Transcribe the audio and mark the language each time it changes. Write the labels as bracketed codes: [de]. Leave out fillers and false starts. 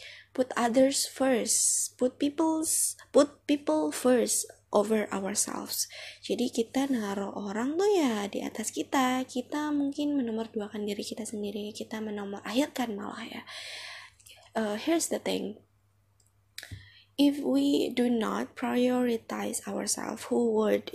[en] Put others first, put people first over ourselves. [id] Jadi kita naruh orang tuh ya di atas kita. Kita mungkin menomorduakan diri kita sendiri, kita menomor akhirkan malah ya. [en] Here's the thing. If we do not prioritize ourselves, who would?